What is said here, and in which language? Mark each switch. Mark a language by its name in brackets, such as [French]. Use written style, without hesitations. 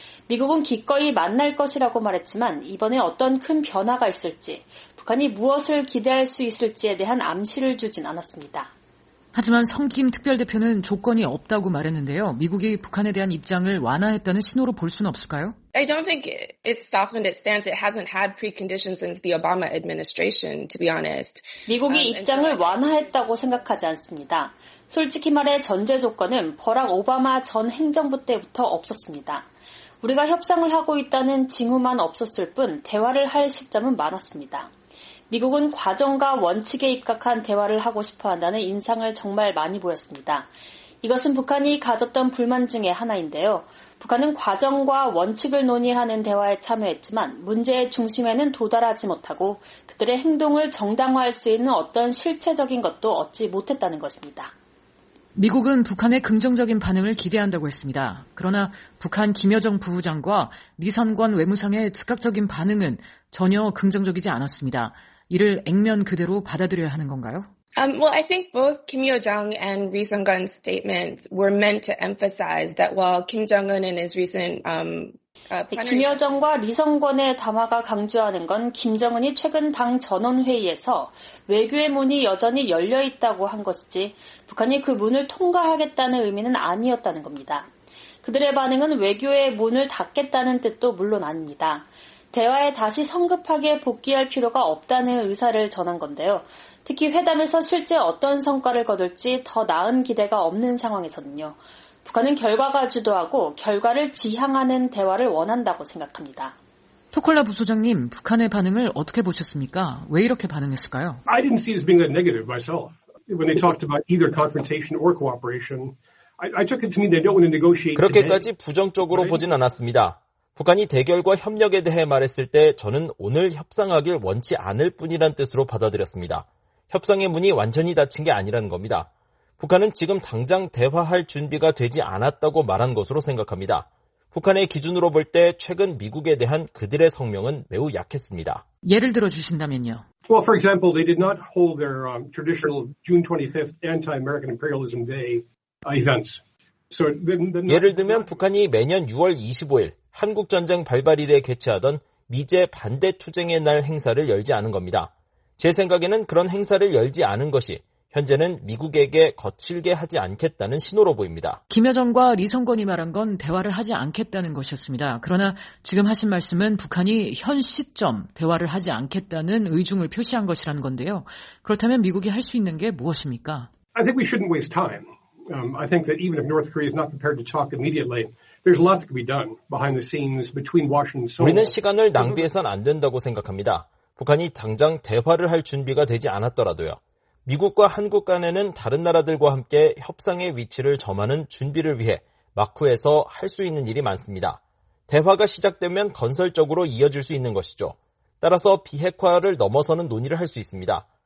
[Korean] 미국은 기꺼이 만날 것이라고 말했지만 이번에 어떤 큰 변화가 있을지, 북한이 무엇을 기대할 수 있을지에 대한 암시를 주진 않았습니다. 하지만 성 김 특별대표는 조건이 없다고 말했는데요. 미국이 북한에 대한 입장을 완화했다는 신호로 볼 수는 없을까요? [English] I don't think it's softened its stance. It hasn't had preconditions since the Obama administration, to be honest. [Korean] 미국이 입장을 완화했다고 생각하지 않습니다. 솔직히 말해 전제 조건은 버락 오바마 전 행정부 때부터 없었습니다. 우리가 협상을 하고 있다는 징후만 없었을 뿐 대화를 할 시점은 많았습니다. 미국은 과정과 원칙에 입각한 대화를 하고 싶어 한다는 인상을 정말 많이 보였습니다. 이것은 북한이 가졌던 불만 중에 하나인데요. 북한은 과정과 원칙을 논의하는 대화에 참여했지만 문제의 중심에는 도달하지 못하고 그들의 행동을 정당화할 수 있는 어떤 실체적인 것도 얻지 못했다는 것입니다. 미국은 북한의 긍정적인 반응을 기대한다고 했습니다. 그러나 북한 김여정 부부장과 리선관 외무상의 즉각적인 반응은 전혀 긍정적이지 않았습니다. 이를 액면 그대로 받아들여야 하는 건가요? [English] Well, I think both Kim Yo-jong and Ri Sung-gun's statements were meant to emphasize that while Kim Jong-un in his recent... [Korean] 김여정과 리성권의 담화가 강조하는 건 김정은이 최근 당 전원회의에서 외교의 문이 여전히 열려있다고 한 것이지 북한이 그 문을 통과하겠다는 의미는 아니었다는 겁니다. 그들의 반응은 외교의 문을 닫겠다는 뜻도 물론 아닙니다. 대화에 다시 성급하게 복귀할 필요가 없다는 의사를 전한 건데요. 특히 회담에서 실제 어떤 성과를 거둘지 더 나은 기대가 없는 상황에서는요. 북한은 결과가 주도하고 결과를 지향하는 대화를 원한다고 생각합니다. 토콜라 부소장님, 북한의 반응을 어떻게 보셨습니까? 왜 이렇게 반응했을까요? [English] I didn't see it as being a negative myself. When they talked about either confrontation or cooperation, I took it to mean they don't want to negotiate. [Korean] 그렇게까지 부정적으로 보진 않았습니다. 북한이 대결과 협력에 대해 말했을 때 저는 오늘 협상하길 원치 않을 뿐이란 뜻으로 받아들였습니다. 협상의 문이 완전히 닫힌 게 아니라는 겁니다. 북한은 지금 당장 대화할 준비가 되지 않았다고 말한 것으로 생각합니다. 북한의 기준으로 볼 때 최근 미국에 대한 그들의 성명은 매우 약했습니다. 예를 들어 주신다면요. [English] Well, for example, they did not hold their traditional June 25th Anti-American Imperialism Day events. So, [Korean] 예를 들면 북한이 매년 6월 25일 한국전쟁 발발일에 개최하던 미제 반대투쟁의 날 행사를 열지 않은 겁니다. 제 생각에는 그런 행사를 열지 않은 것이 현재는 미국에게 거칠게 하지 않겠다는 신호로 보입니다. 김여정과 리성권이 말한 건 대화를 하지 않겠다는 것이었습니다. 그러나 지금 하신 말씀은 북한이 현 시점 대화를 하지 않겠다는 의중을 표시한 것이라는 건데요. 그렇다면 미국이 할 수 있는 게 무엇입니까? [English] I think we shouldn't waste time. I think that even if North Korea is not prepared to talk immediately, there's a lot that can be done behind the scenes between Washington and Seoul. [Korean] 우리는 시간을 낭비해선 안 된다고 생각합니다. 북한이 당장 대화를 할 준비가 되지 않았더라도요. 미국과 한국 간에는 다른 나라들과 함께 협상의 위치를 점하는 준비를 위해 막후에서 할 수 있는 일이 많습니다. 대화가 시작되면 건설적으로 이어질 수 있는 것이죠. 따라서 비핵화를 넘어서는 논의를 할 수 있습니다.